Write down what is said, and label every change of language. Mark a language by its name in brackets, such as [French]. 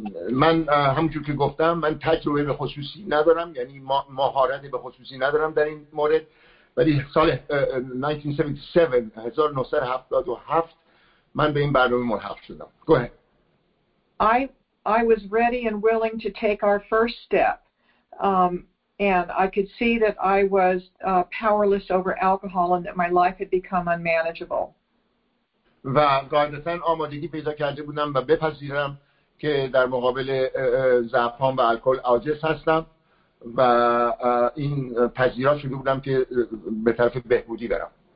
[Persian] من همونجور که گفتم, من تجربه به خصوصی ندارم, یعنی مهارت به خصوصی ندارم در این مورد, ولی سال 1977 من به این برنامه ملحق شدم. [English] Go ahead. I was ready and willing to take our first step, and I could see that I was powerless over alcohol and that my life had become unmanageable. [Persian] و قاعدتا آمادگی پیدا کرده بودم و بپذیرم که در مقابل ضعف‌هام و الکل عاجز هستم و این پذیرا شده بودم که به طرف بهبودی برم.